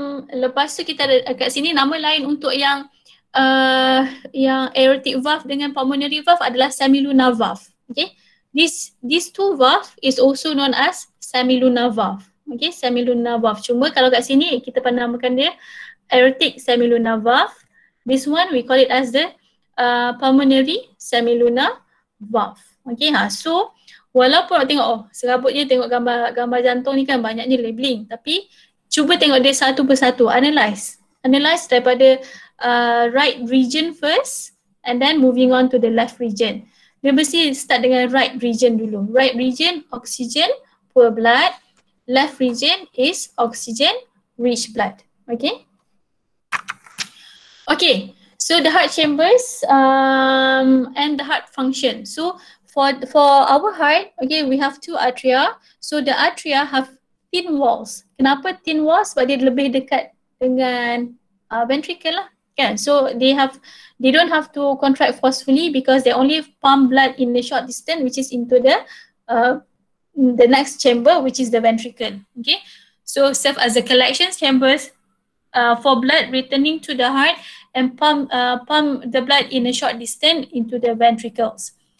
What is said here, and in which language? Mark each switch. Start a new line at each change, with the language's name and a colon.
Malay: Lepas tu kita ada kat sini nama lain untuk yang yang aortic valve dengan pulmonary valve adalah semilunar valve.
English: Okay. These two valve is also known as semilunar valve.
Malay: Okay, semilunar valve. Cuma kalau kat sini kita pernah namakan dia aortic semilunar valve.
English: This one we call it as the pulmonary semilunar valve.
Malay: Okay, ha. So walaupun awak tengok, oh, serabut je tengok gambar jantung ni kan, banyaknya labeling. Tapi cuba tengok dia satu persatu,
English: analyze. Analyze daripada right region first and then moving on to the left region.
Malay: Dia mesti start dengan right region dulu.
English: Right region, oxygen, poor blood. Left region is oxygen, rich blood. Okay? Okay, So the heart chambers and the heart function. So for our heart, okay, we have two atria. So the atria have thin walls.
Malay: Kenapa thin walls? Sebab dia lebih dekat dengan ventricle lah.
English: Yeah, so they don't have to contract forcefully because they only pump blood in the short distance, which is into the next chamber, which is the ventricle. Okay, so serve as a collection chambers for blood returning to the heart and pump the blood in a short distance into the ventricles.